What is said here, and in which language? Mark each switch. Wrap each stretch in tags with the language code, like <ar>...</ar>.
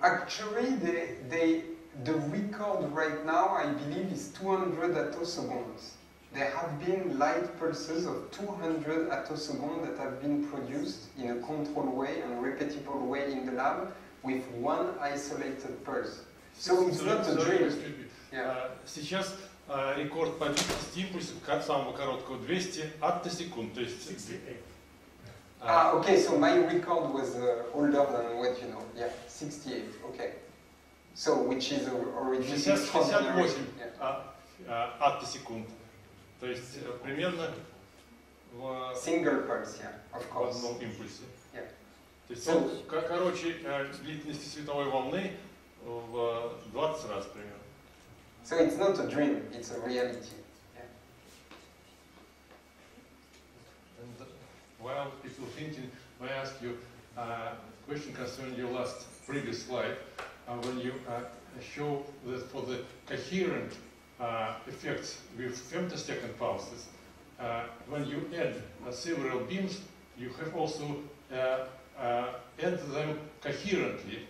<en>Actually, the record right now, I believe, is 200 attoseconds. There have been light pulses of 200 attoseconds that have been produced in a controlled way and repeatable way in the lab with one isolated pulse. So it's not a dream.</en> <ru>Сейчас рекорд по длительности импульса как самого короткого 200 аттосекунд, то есть</ru> <en>68. Ah, okay, so my record was older than what you know. Yeah, 68. Okay. So which is already</en> <ru>68 аттосекунд. То есть примерно в</ru> <en>single pulse, yeah, of course.</en> <ru>Одном импульсе.</ru> <en>Yeah.</en> <ru>То есть so, как короче длительности световой волны в 20 раз примерно.</ru> <en>So it's not a dream, it's a reality. Yeah. And while people thinking, I ask you a question concerning your last previous slide, when you show that for the coherent effects with femtosecond pulses, when you add several beams, you have also add them coherently.</en>